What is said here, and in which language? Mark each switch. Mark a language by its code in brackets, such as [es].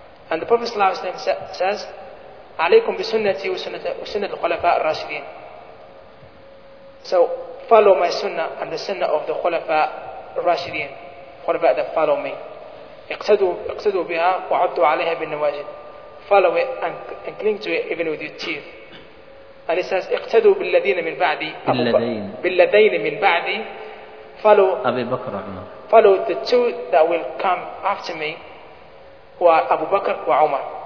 [en] And the Prophet says, [ar] عليكم بسنتي وسنة الخلفاء الراشدين. [en] So follow my sunnah and the sunnah of the خلفاء الراشدين, خلفاء that follow me. [ar] اقتدوا بها وعدوا عليها بالنواجد. [en] Follow it and cling to it even with your teeth. And it says, [ar] اقتدوا بالذين من بعدي. بالذين من بعدي. [en] Follow [ar] أبي بكر عمر. [en] Follow the two that will come after me, who are Abu Bakr and Umar.